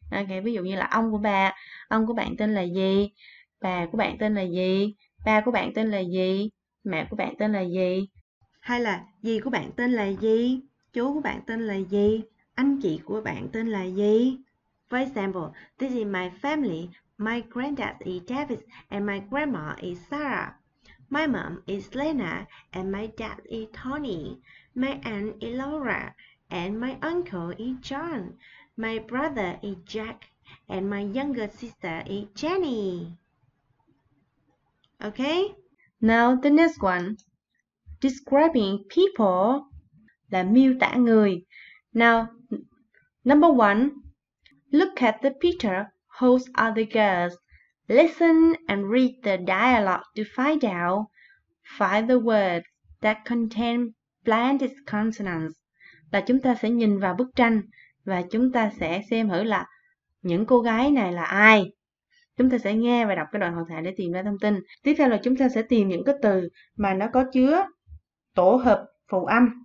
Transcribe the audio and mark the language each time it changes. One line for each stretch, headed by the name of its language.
Vietnamese: Okay, ví dụ như là ông của bạn tên là gì, bà của bạn tên là gì, ba của bạn tên là gì, mẹ của bạn tên là gì, hay là dì của bạn tên là gì, chú của bạn tên là gì, anh chị của bạn tên là gì.
English: For example, this is my family. My granddad is David and my grandma is Sarah. My mom is Lena and my dad is Tony. My aunt is Laura and my uncle is John. My brother is Jack and my younger sister is Jenny. Okay? Now the next one. Describing people
Vietnamese: là miêu tả người.
English: Now, number one, look at the picture. Who's other girls? Listen and read the dialogue to find out. Find the words that contain blank consonants.
Vietnamese: Là chúng ta sẽ nhìn vào bức tranh và chúng ta sẽ xem thử là những cô gái này là ai. Chúng ta sẽ nghe và đọc cái đoạn hội thoại để tìm ra thông tin. Tiếp theo là chúng ta sẽ tìm những cái từ mà nó có chứa tổ hợp phụ âm.